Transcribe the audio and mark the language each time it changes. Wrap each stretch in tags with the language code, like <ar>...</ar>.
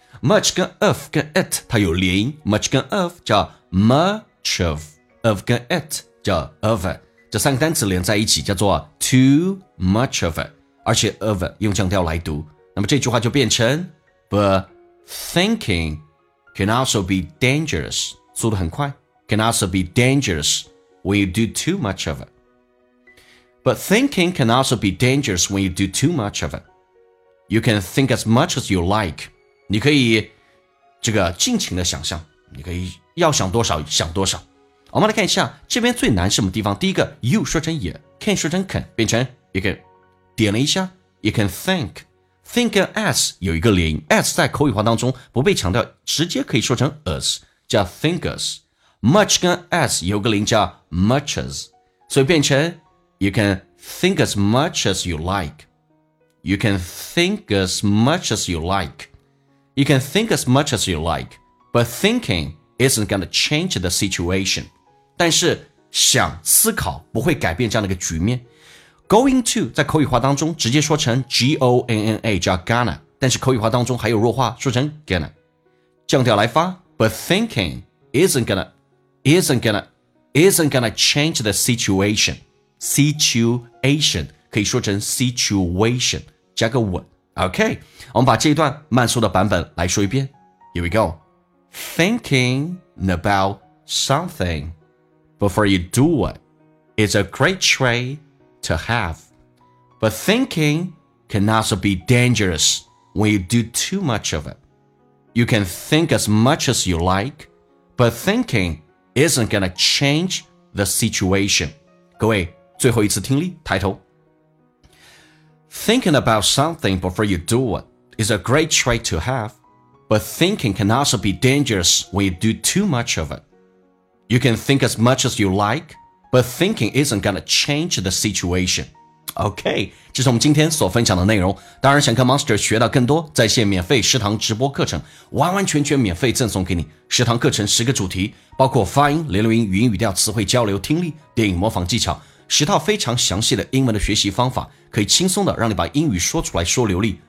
<zh>Much 跟 of 跟 it 它有连音， Much 跟 of 叫 much of， of 跟 it 叫 of it， 这三个单词连在一起叫做 too much of it， 而且 of it 用降调来读，那么这句话就变成</zh> <en>But thinking can also be dangerous，</en> <zh>速度很快，</zh> <en>can also be dangerous when you do too much of it. But thinking can also be dangerous when you do too much of itYou can think as much as you like.</en> <zh>你可以这个尽情的想象，你可以要想多少想多少。我们来看一下这边最难什么地方。第一个 you 说成 yeah， can 说成 can， 变成</zh> <en>you can， 点了一下 you can think， think as 有一个连音， as 在口语化当中不被强调，直接可以说成 as 叫 think as， much 跟 as 有个连音叫 much as， 所以变成 you can think as much as you likeYou can think as much as you like. You can think as much as you like. But thinking isn't going to change the situation.</en> <zh>但是想思考不会改变这样的一个局面。 Going to 在口语化当中直接说成 G-O-N-N-A 叫 gonna， 但是口语化当中还有弱化说成 gonna， 降调来发。</zh> <en>But thinking isn't gonna change the situation.</en> <zh>Situation. 可以说成 situation， 加个稳。 OK， 我们把这一段慢速的版本来说一遍。</zh> <en>Here we go. Thinking about something before you do it. It's a great trait to have. But thinking can also be dangerous when you do too much of it. You can think as much as you like, but thinking isn't going to change the situation.</en> <zh>各位，最后一次听力，抬头。</zh> <en>Thinking about something before you do it is a great trait to have, but thinking can also be dangerous when you do too much of it. You can think as much as you like, but thinking isn't going to change the situation.</en> <zh>OK, 这是我们今天所分享的内容。当然想跟 Monster 学到更多在线免费食堂直播课程，完完全全免费赠送给你。食堂课程十个主题，包括发音、连读音、语音语调、词汇交流、听力、电影模仿技巧，十套非常详细的英文的学习方法，可以轻松的让你把英语说出来说流利。</zh>